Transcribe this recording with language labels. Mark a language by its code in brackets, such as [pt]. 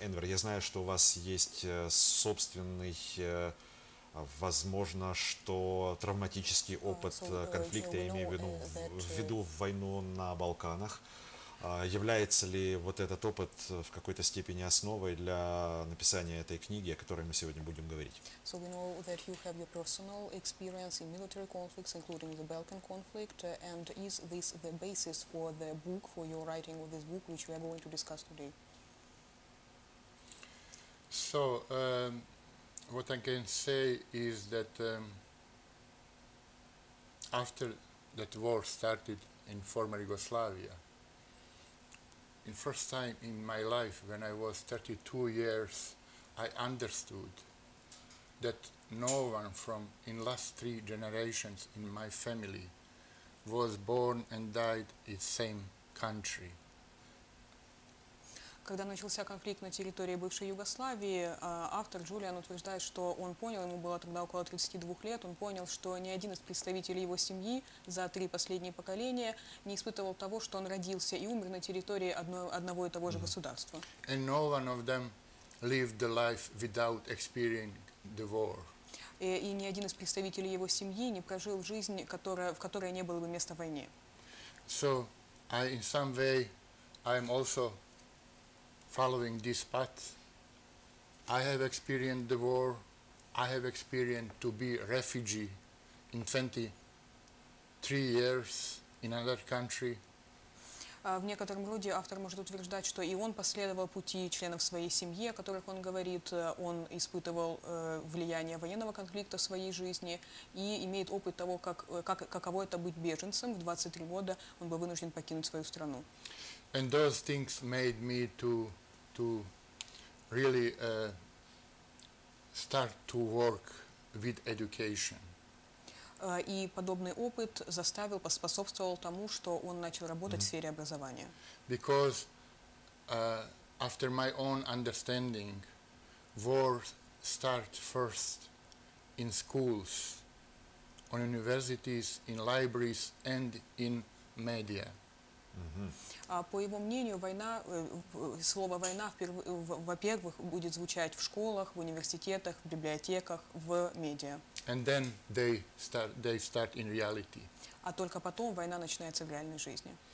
[ru] Энвер, я знаю, что у вас есть собственный, возможно, что травматический опыт конфликта, я имею в виду войну на Балканах. Является ли вот этот опыт в какой-то степени основой для написания этой книги, о которой мы сегодня будем говорить? [en] So we know that you have your personal experience in military conflicts, including the Balkan conflict, and is this the basis for the book, for your writing of this book, which we are going to discuss today? So, what I can say is that after that war started in former Yugoslavia, in first time in my life, when I was 32 years, I understood that no one from in last three generations in my family was born and died in same country. [ru] Когда начался конфликт на территории бывшей Югославии, автор Джулиан утверждает, что он понял, ему было тогда около 32 лет, он понял, что ни один из представителей его семьи за три последние поколения не испытывал того, что он родился и умер на территории одного и того же государства. [en] And no one of them lived the life without experiencing the war. [ru] И ни один из представителей его семьи не прожил жизнь, в которой не было бы места войне. [en] So, I, in some way, I'm also following this path, I have experienced the war, I have experienced to be refugee in 23 years in another country. [ru] В некотором роде автор может утверждать, что и он последовал пути членов своей семьи, о которых он говорит, он испытывал влияние военного конфликта в своей жизни и имеет опыт того, каково это быть беженцем. В 23 года он был вынужден покинуть свою страну. [en] And those things made me to really start to work with education. [ru] И подобный опыт заставил, поспособствовал тому, что он начал работать в сфере образования. [en] Because after my own understanding, war start first in schools, on universities, in libraries, and in media. [ru] По его мнению, война, слово «война», во-первых, будет звучать в школах, в университетах, в библиотеках, в медиа. [en] And then they start in reality. [ru] А только потом война начинается в реальной жизни.